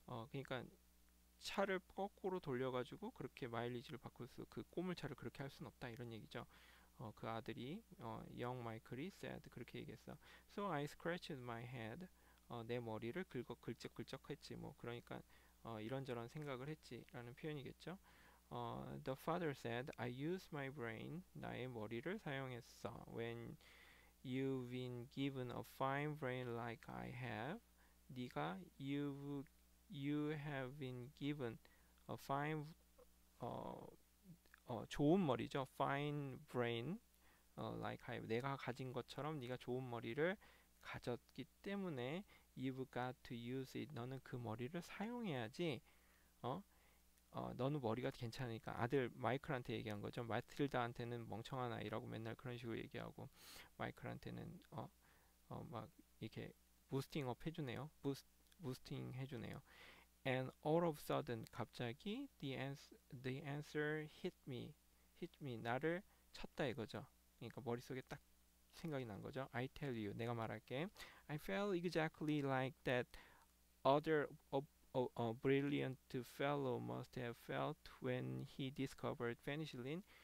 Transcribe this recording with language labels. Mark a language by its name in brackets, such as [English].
[Korean] 그러니까 차를 거꾸로 돌려가지고 그렇게 마일리지를 바꿀 수, 그 꼬물차를 그렇게 할순 없다. 이런 얘기죠. 그 아들이, [English] young Michael이 said. [Korean] 그렇게 얘기했어. [English] So I scratched my head. [Korean] 내 머리를 긁적긁적했지. 뭐, 그러니까, 이런저런 생각을 했지라는 표현이겠죠. [English] The father said, I used my brain. [Korean] 나의 머리를 사용했어. [English] When you've been given a fine brain like I have, 네가 you have been given a fine, [Korean] 좋은 머리죠. [English] fine brain, like I have. [Korean] 내가 가진 것처럼 네가 좋은 머리를 가졌기 때문에 [English] you've got to use it. [Korean] 너는 그 머리를 사용해야지. 너는 머리가 괜찮으니까 아들 마이클한테 얘기한 거죠. 마틸다한테는 멍청한 아이라고 맨날 그런 식으로 얘기하고 마이클한테는 막 이렇게 부스팅업 해주네요. 부스팅 해주네요. [English] And all of a sudden, 갑자기 the answer hit me. [Korean] 나를 쳤다 이거죠. 그러니까 머릿속에 딱 생각이 난 거죠. [English] I tell you, [Korean] 내가 말할게. [English] I felt exactly like that other brilliant fellow must have felt when he discovered penicillin.